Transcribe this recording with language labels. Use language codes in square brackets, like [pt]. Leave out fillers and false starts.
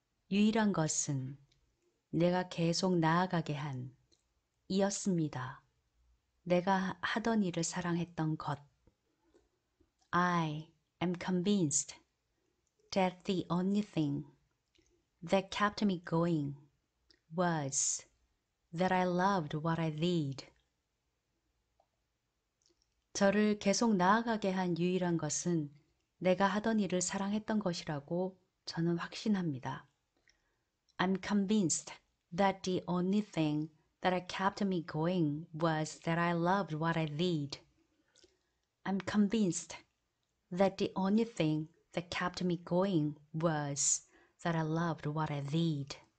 [ko] 유일한 것은 내가 계속 나아가게 한 이었습니다. 내가 하던 일을 사랑했던 것. [en] I am convinced that the only thing that kept me going was that I loved what I did. [ko] 저를 계속 나아가게 한 유일한 것은 내가 하던 일을 사랑했던 것이라고 저는 확신합니다. [en] I'm convinced that the only thing that kept me going was that I loved what I did. I'm convinced that the only thing that kept me going was that I loved what I did.